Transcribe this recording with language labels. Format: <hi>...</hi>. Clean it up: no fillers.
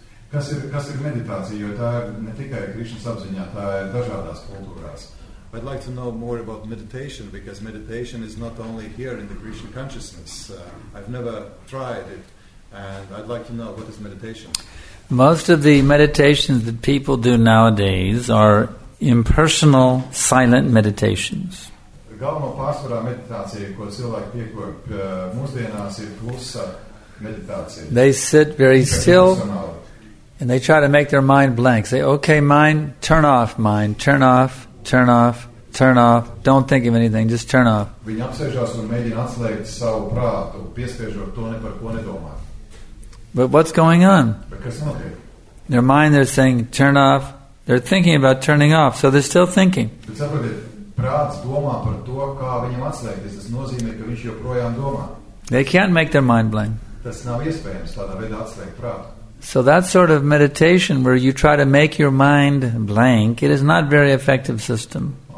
<lv>Kas ir meditācija, jo tā ir ne tikai Krišnas apziņā, tā ir dažādās kultūrās.</lv> <en>I'd like to know more about meditation, because meditation is not only here in the Krishna consciousness. I've never tried it, and I'd like to know what is meditation. Most of the meditations that people do nowadays are impersonal, silent meditations.</en> <lv>Galveno pārsvarā meditācija, ko cilvēki piekop mūsdienās, ir klusa meditācija.</lv> <en>They sit very still. And they try to make their mind blank. Say, okay, mind, turn off, turn off, turn off. Don't think of anything, just turn off.</en> <lv>Viņi apsēžās un mēģina atslēgt savu prātu, piespiežot to, ne par ko nedomā.</lv> <en>But what's going on?</en> <lv>Kas notiek?</lv> <en>Their mind, they're saying, turn off. They're thinking about turning off, so they're still thinking.</en> <lv>Bet saprotiet, prāts domā par to, kā viņam atslēgties. Tas nozīmē, ka viņš joprojām domā.</lv> <en>They can't make their mind blank.</en> <lv>Tas nav iespējams tādā veidā atslēgt prātu.</lv> <en>So that sort of meditation where you try to make your mind blank, it is not a very effective system.</en>